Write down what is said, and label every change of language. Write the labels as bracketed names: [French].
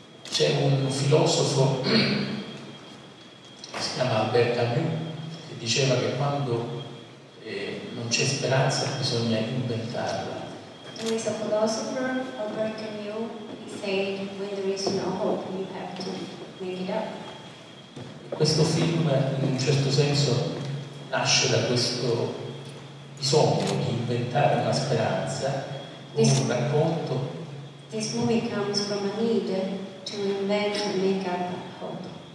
[Italian] C'è un filosofo si chiama Roberto Ando che diceva che quando non c'è speranza bisogna inventarla. [English] There is a philosopher, Albert Camus, he said, when there is no hope, you have to make it up. [Italian] Questo film, in un certo senso, nasce da questo bisogno di inventare una speranza, un racconto. [English] This movie comes from a need to invent and make up hope.